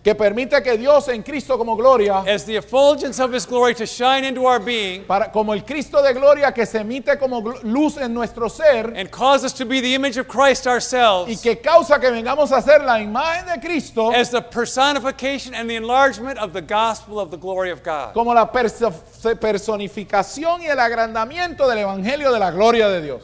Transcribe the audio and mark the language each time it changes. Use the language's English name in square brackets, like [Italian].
[Spanish] Que permite que Dios en Cristo como gloria. [English] As the effulgence of His glory to shine into our being. [Spanish] Para, como el Cristo de gloria que se emite como luz en nuestro ser. [English] And cause us to be the image of Christ ourselves. [Spanish] Y que causa que vengamos a ser la imagen de Cristo. [English] As the personification and the enlargement of the gospel of the glory of God. [Spanish] Como la personificación y el agrandamiento del evangelio de la gloria de Dios.